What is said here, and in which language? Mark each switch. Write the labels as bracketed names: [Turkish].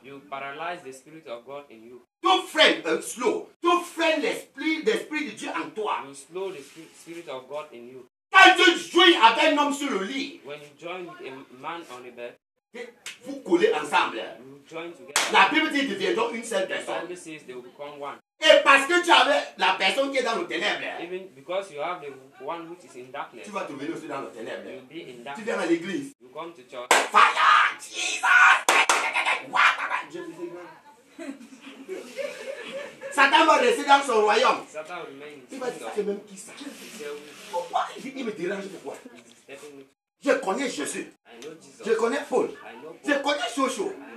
[English] You paralyze the spirit of God in you. [French] Tu freines l'esprit de Dieu en toi. [English] You slow the spirit of God in you. [French] Quand tu jouis avec un homme sur le lit, [English] when you join a man on a bed, [French] vous coulez ensemble. [English] You join [French] la Bible dit que deviendront une seule personne. [English] The Bible says they will become one. [French] Et parce que tu avais la personne qui est dans le ténèbre, [English] even because you have the one which is in darkness, [French] tu vas te mener aussi dans le ténèbre. [English] You'll be in darkness. [French] Tu viens à l'église. [English] You come to church. Fire, Jesus! [French] Satan va rester dans son royaume. [English] Satan remains. [French] Il va dire, c'est même qui c'est. Pourquoi il me dérange pourquoi? Je connais Jésus. Je connais Paul. Je connais Chouchou.